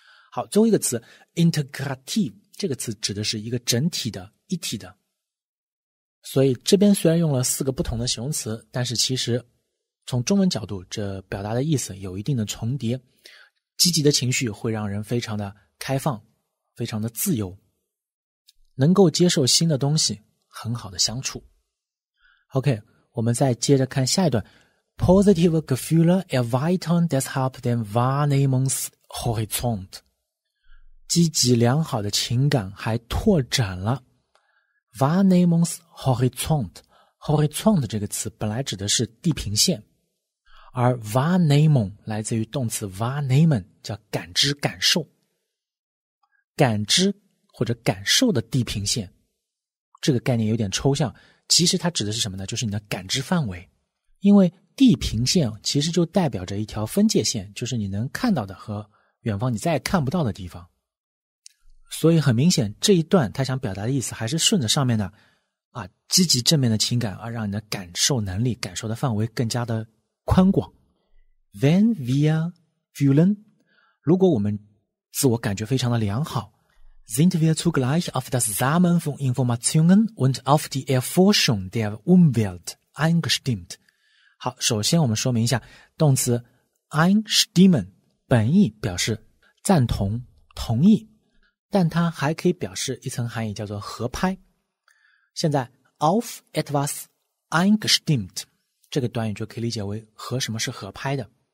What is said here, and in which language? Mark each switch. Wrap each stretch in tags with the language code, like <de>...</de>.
<zh>好，最后一个词 integrative这个词指的是一个整体的一体的，所以这边虽然用了四个不同的形容词，但是其实从中文角度这表达的意思有一定的重叠。积极的情绪会让人非常的开放，非常的自由，能够接受新的东西，很好的相处。 OK， 我们再接着看下一段。</zh> <de>Positive Gefühle erweitern deshalb den Wahrnehmungshorizont，</de> <zh>积极良好的情感还拓展了 Wahrnehmungshorizont。 Horizont 这个词本来指的是地平线，而 Wahrnehmung 来自于动词 Wahrnehmen， 叫感知感受，感知或者感受的地平线。这个概念有点抽象，其实它指的是什么呢，就是你的感知范围。因为地平线其实就代表着一条分界线，就是你能看到的和远方你再也看不到的地方。所以很明显这一段他想表达的意思还是顺着上面的啊，积极正面的情感而让你的感受能力感受的范围更加的宽广。</zh> <de>Wenn wir fühlen，</de> <zh>如果我们自我感觉非常的良好，</zh> <de>sind wir zugleich auf das Sammeln von Informationen und auf die Erforschung der Umwelt eingestimmt。</de> <zh>好，首先我们说明一下动词 einstimmen， 本意表示赞同同意，但它还可以表示一层含义，叫做合拍。现在</zh> <de>auf etwas eingestimmt</de> <zh>这个短语就可以理解为和什么是合拍的。</zh>